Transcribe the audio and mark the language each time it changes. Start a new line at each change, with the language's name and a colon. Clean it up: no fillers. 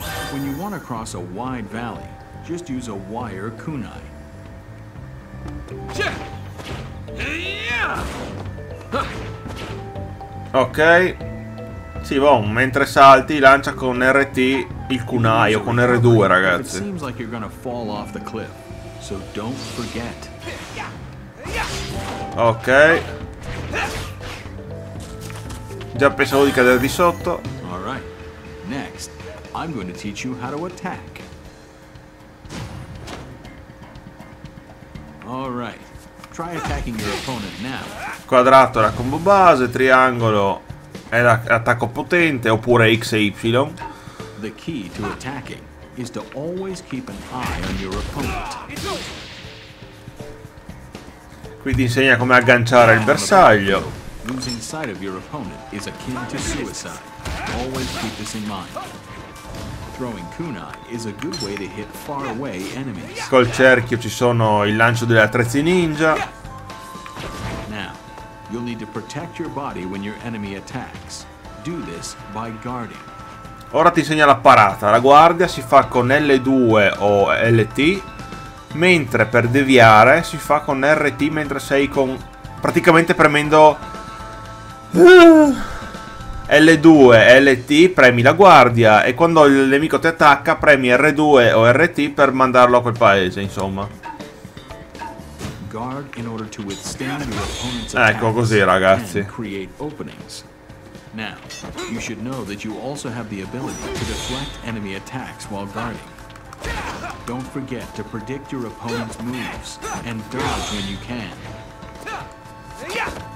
English: When you want to cross a wide valley, just use a wire kunai.
Italian: Ok. Sì, boh, mentre salti lancia con RT il kunai o con R2, ragazzi.
English: Seems like you're gonna fall off the cliff, so don't forget. Ok.
Italian: Già pensavo di cadere di sotto.
English: All right. Next, I'm going to teach you how to attack. All right. Try attacking your opponent now.
Italian: Quadrato era combo base, triangolo è l'attacco potente, oppure X e Y.
English: The key to attacking is to always keep an eye on your opponent.
Italian: Qui ti insegna come agganciare il bersaglio.
English: Losing sight of your opponent is akin to suicide. Always keep this in mind. Throwing kunai is a good way to hit far away enemies.
Italian: Col cerchio ci sono il lancio degli attrezzi ninja.
English: Now, you'll need to protect your body when your enemy attacks. Do this by guarding.
Italian: Ora ti segna la parata. La guardia si fa con L2 o LT, mentre per deviare si fa con RT mentre sei con... praticamente premendo L2 LT premi la guardia e quando il nemico ti attacca premi R2 o RT per mandarlo a quel paese, insomma.
English: Guard in order to withstand your opponent's attacks.
Italian: Ecco così, ragazzi.
English: And create openings. Now, you should know that you also have the ability to deflect enemy attacks while guarding. Don't forget to predict your opponent's moves and dodge when you can.